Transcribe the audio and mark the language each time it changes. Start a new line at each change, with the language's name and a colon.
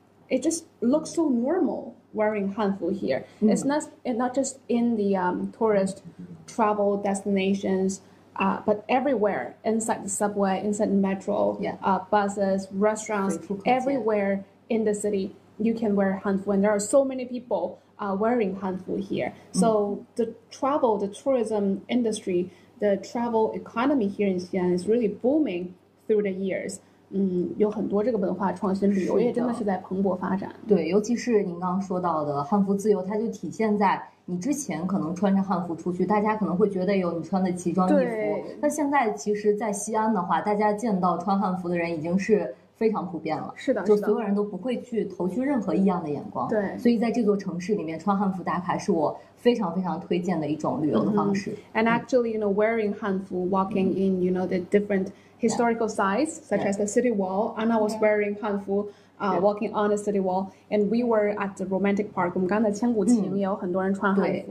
English: It just looks so normal wearing Hanfu here. It's not just in the tourist travel destinations, but everywhere, inside the subway, inside the metro, buses, restaurants, everywhere in the city, you can wear Hanfu. And there are so many people. Wearing Hanfu here. So the tourism industry, the travel economy here in Xi'an is really booming through the years.
Chinese: 有很多这个文化创新，旅游业真的是在蓬勃发展。对，尤其是您刚刚说到的汉服自由，它就体现在你之前可能穿着汉服出去，大家可能会觉得有你穿的奇装异服。那现在其实在西安的话，大家见到穿汉服的人已经是非常普遍了。是的，就所有人都不会去投去任何异样的眼光。对，所以在这座城市里面穿汉服打卡是我非常非常推荐的一种旅游的方式。 Mm-hmm.
English: And actually, you know, wearing 汉服 walking in, you know, the different historical sites such as the city wall, and I was wearing 汉服walking on the city wall, and we were at the romantic park.
Chinese: 我们刚才千古情也有很多人穿汉服。